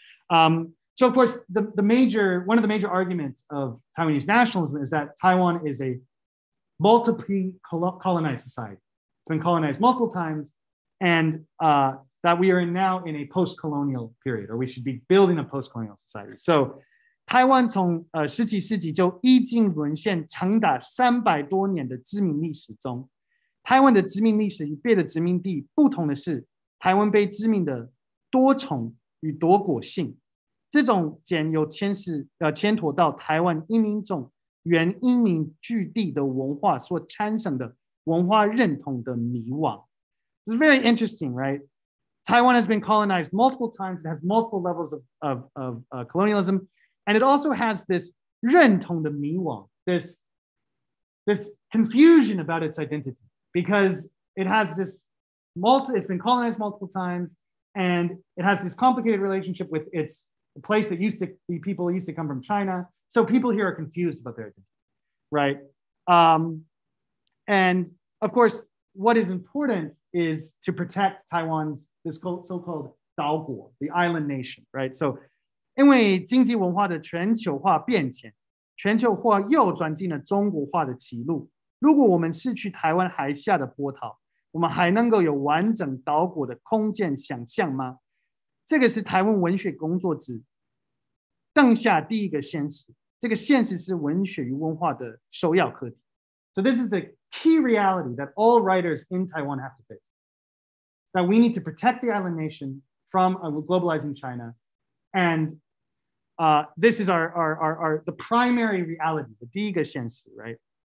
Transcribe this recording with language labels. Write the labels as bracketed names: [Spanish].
[English] So of course, one of the major arguments of Taiwanese nationalism is that Taiwan is a multiply colonized society. It's been colonized multiple times, and that we are now in a post-colonial period, or we should be building a post-colonial society. [Chinese] So, Taiwan 从十七世纪就已经沦陷长达三百多年的殖民历史中，台湾的殖民历史与别的殖民地不同的是，台湾被殖民的多重与多国性，这种兼有牵拖到台湾移民中原移民聚地的文化所产生的文化认同的迷惘。 [English] It's very interesting, right? Taiwan has been colonized multiple times. It has multiple levels of colonialism. And it also has this [Chinese] 认同的迷惘, [English] this confusion about its identity because it has this it's been colonized multiple times, and it has this complicated relationship with its the place that used to be people used to come from China. So people here are confused about their identity, right? And of course, what is important is to protect Taiwan's this so-called Daoguo, the island nation, right? [Chinese] So, 因为经济文化的全球化变迁，全球化又转进了中国化的歧路。如果我们失去台湾海峡的波涛，我们还能够有完整岛国的空间想象吗？这个是台湾文学工作者当下第一个现实。这个现实是文学与文化的首要课题。 [English] So this is the key reality that all writers in Taiwan have to face, that we need to protect the island nation from a globalizing China. And this is our the primary reality, the [Chinese] 第一个现实, [English] right?